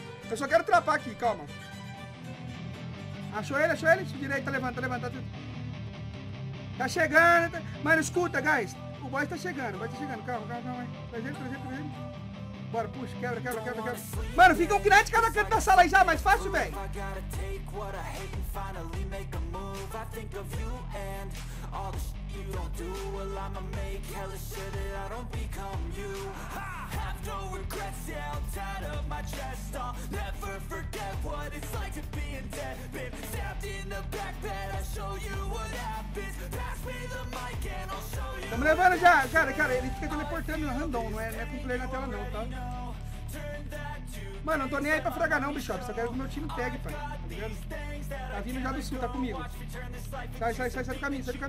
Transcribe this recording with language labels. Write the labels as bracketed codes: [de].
[pt] Eu só quero trapar aqui, calma. Achou ele? Direita, levanta. Tá chegando! Mano, escuta, guys! O boy tá chegando, vai tá chegando. Calma, calma, calma. Trazendo. Bora, puxa, quebra. Mano, fica um kinético na canto da sala aí já, mais fácil, velho. [en] You don't do well, I'ma make hella sure that I don't become you. I have no regrets, yeah, I'll tie up my chest. I'll never forget what it's like to be in debt. Been stabbed in the back bed, I'll show you what happens. Pass me the mic and I'll show you. [pt] Tamo levando já, cara, ele fica teleportando no random, não é com play na tela não, tá? Mano, não tô nem aí pra fragar não, bicho, só quero que o meu time pegue, pai, tá ligado? Tá vindo já do sul, tá comigo. Sai do caminho.